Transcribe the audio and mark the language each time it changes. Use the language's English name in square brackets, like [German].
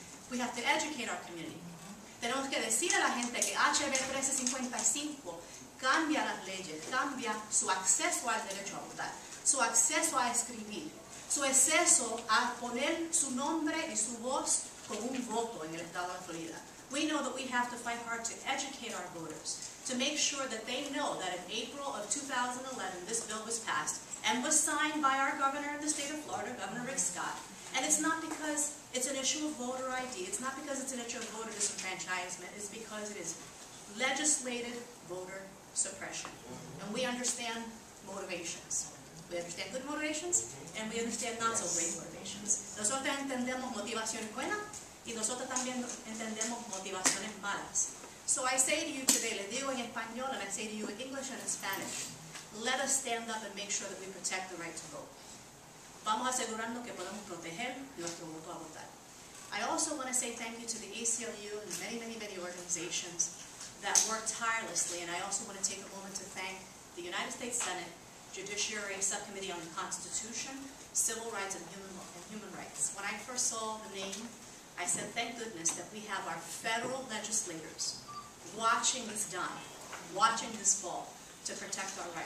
[English] We have to educate our community. [Spanish] Tenemos que decir a la gente que HB 1355 cambia las leyes, cambia su acceso al derecho a votar, su acceso a escribir, su acceso a poner su nombre y su voz con un voto en el estado de Florida. [English] We know that we have to fight hard to educate our voters, to make sure that they know that in April of 2011, this bill was passed and was signed by our governor of the state of Florida, Governor Rick Scott. And it's not because it's an issue of voter ID, it's not because it's an issue of voter disenfranchisement, it's because it is legislated voter suppression. And we understand motivations. We understand good motivations, and we understand not so great motivations. [Spanish] Nosotros entendemos motivaciones buenas, y nosotros también entendemos motivaciones malas. [English] So I say to you today, [Spanish] le digo en español, [English] and I say to you in English and in Spanish, let us stand up and make sure that we protect the right to vote. [Spanish] Vamos asegurando que podemos proteger nuestro voto a votar. [English] I also want to say thank you to the ACLU and many, many, many organizations that work tirelessly, and I also want to take a moment to thank the United States Senate Judiciary Subcommittee on the Constitution, Civil Rights, and Human Rights. When I first saw the name, I said, thank goodness that we have our federal legislators watching this fall to protect our rights.